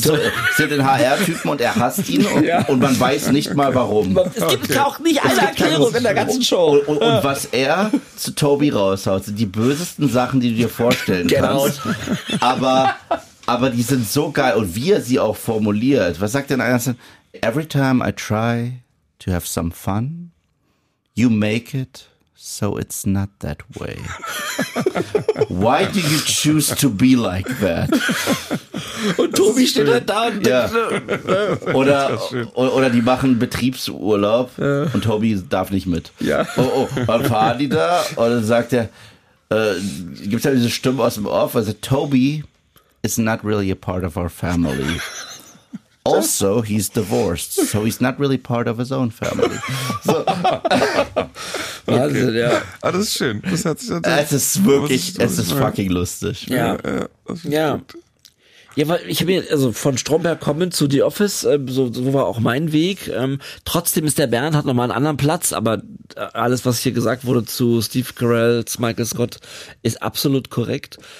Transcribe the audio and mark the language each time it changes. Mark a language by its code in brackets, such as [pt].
[de] Das ist so, den HR-Typen und er hasst ihn und man weiß nicht mal warum. Es gibt auch nicht eine Erklärung in der ganzen Show. Und was er zu Tobi raushaut, sind die bösesten Sachen, die du dir vorstellen kannst. Aber die sind so geil. Und wie er sie auch formuliert. Was sagt denn einer? [en] Every time I try to have some fun, you make it so it's not that way. Why do you choose to be like that? [de] Und Tobi steht halt da und denkt, oder die machen Betriebsurlaub und Tobi darf nicht mit. Ja. Dann fahren die da und dann sagt er, gibt es halt diese Stimme aus dem Off, also [en] Tobi is not really a part of our family. Also, he's divorced, so he's not really part of his own family. So. [de] Wahnsinn, ja. Ah, das ist schön. Das hat sich natürlich. Es ist wirklich, es ist fucking lustig. Ja. Ja. Ja, weil ich habe mir, also von Stromberg kommen zu The Office, so war auch mein Weg. Trotzdem ist der Bernd hat nochmal einen anderen Platz, aber alles, was hier gesagt wurde zu Steve Carell, zu Michael Scott, ist absolut korrekt.